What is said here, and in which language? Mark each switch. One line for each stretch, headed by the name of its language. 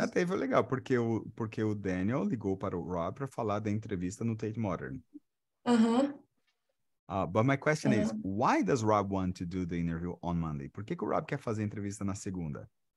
Portuguese: Até foi legal, porque o Daniel ligou para o Rob para falar da entrevista no Tate Modern.
English: But my question is, why does Rob want to do the interview on Monday?
Portuguese: Por que o Rob quer fazer entrevista na segunda?